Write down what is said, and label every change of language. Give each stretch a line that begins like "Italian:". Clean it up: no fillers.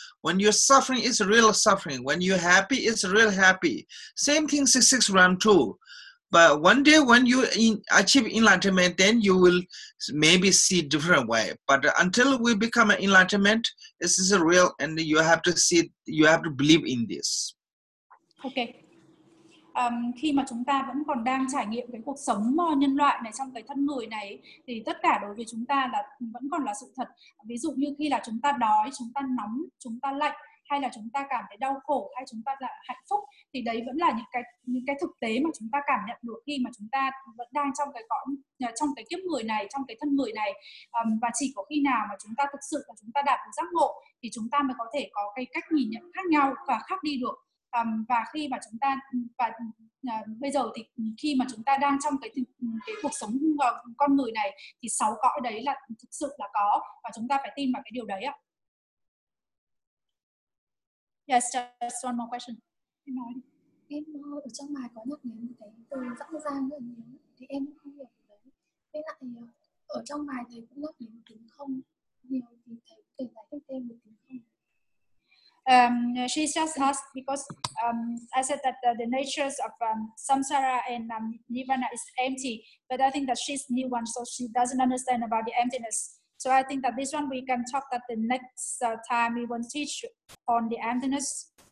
English: When you're suffering, it's real suffering. When you're happy, it's real happy. Same thing, six realm too. But one day when you achieve enlightenment, then you will maybe see different way. But until we become an enlightenment, this is a real, and you have to believe in this. Okay.
Vietnamese: khi mà chúng ta vẫn còn đang trải nghiệm cái cuộc sống nhân loại này trong cái thân người này thì tất cả đối với chúng ta là vẫn còn là sự thật. Ví dụ như khi là chúng ta đói, chúng ta nóng, chúng ta lạnh, hay là chúng ta cảm thấy đau khổ, hay chúng ta là hạnh phúc, thì đấy vẫn là những cái thực tế mà chúng ta cảm nhận được khi mà chúng ta vẫn đang trong cái kiếp người này, trong cái thân người này. Và chỉ có khi nào mà chúng ta thực sự là chúng ta đạt được giác ngộ thì chúng ta mới có thể có cái cách nhìn nhận khác nhau và khác đi được. Và khi mà chúng ta và bây giờ thì khi mà chúng ta đang trong cái cuộc sống con người này thì sáu cõi đấy là thực sự là có, và chúng ta phải tin vào cái điều đấy ạ.
English: Yes, just one more question.
Vietnamese: Em nói đi. Em ở trong bài có nhắc đến một cái từ rõ ràng rất là nhiều, thì em cũng không hiểu cái đấy. Với lại ở trong bài thầy cũng nhắc đến tính không nhiều, thì thầy có thể giải thích thêm về tính không.
English: She's just asked because I said that the natures of samsara and nirvana is empty, but I think that she's new one, so she doesn't understand about the emptiness. So I think that this one we can talk that the next time we will teach on the emptiness.